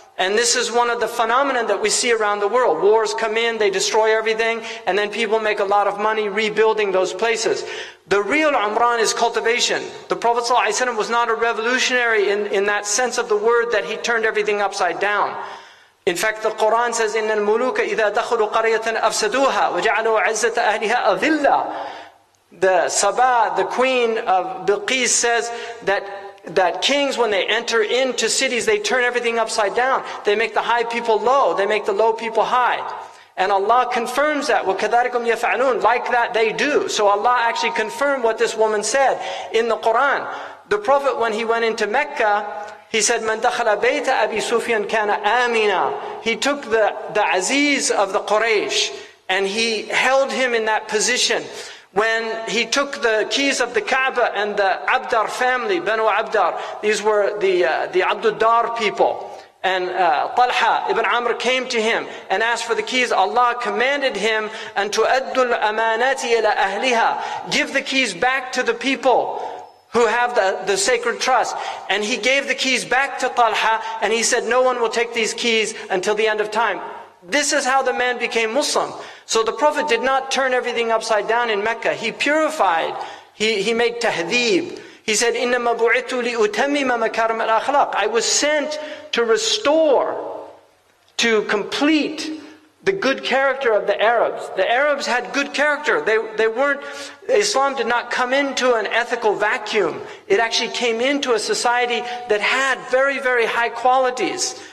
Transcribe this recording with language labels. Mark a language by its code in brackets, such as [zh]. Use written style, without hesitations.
[en] And this is one of the phenomena that we see around the world. Wars come in, they destroy everything, and then people make a lot of money rebuilding those places. The real umran is cultivation. The Prophet ﷺ was not a revolutionary in that sense of the word that he turned everything upside down. In fact, the Quran says, [ar] إِنَّ الْمُلُوكَ إِذَا دَخُلُوا قَرْيَةً أَفْسَدُوهَا وَجَعَلُوا عِزَّةَ أَهْلِهَا أَذِلَّةً. [en] The Saba, the queen of Bilqis, says that kings, when they enter into cities, they turn everything upside down. They make the high people low. They make the low people high. And Allah confirms that. [ar] وَكَذَلِكُمْ يَفْعَلُونَ. [en] Like that, they do. So Allah actually confirmed what this woman said in the Quran. The Prophet, when he went into Mecca, he said, [ar] مَنْ دَخَلَ بَيْتَ أَبِي سُفْيَنْ كَانَ آمِنًا. [en] He took the Aziz of the Quraysh, and he held him in that position. When he took the keys of the Kaaba and the Abdar family, Banu Abdar, these were the Abdu'l-Dar people, and Talha ibn Amr came to him and asked for the keys. Allah commanded him, [ar] أَنْ تُؤَدُّ الْأَمَانَاتِ إِلَىٰ أَهْلِهَا. [en] Give the keys back to the people who have the sacred trust. And he gave the keys back to Talha, and he said, no one will take these keys until the end of time. This is how the man became Muslim. So the Prophet did not turn everything upside down in Mecca. He purified. He made tahdhib. He said, [ar] إِنَّمَا بُعِتُ لِأُتَمِّمَ مَكَارِمَ الْأَخْلَاقِ. [en] I was sent to restore, to complete the good character of the Arabs. The Arabs had good character. They weren't, Islam did not come into an ethical vacuum. It actually came into a society that had very, very high qualities.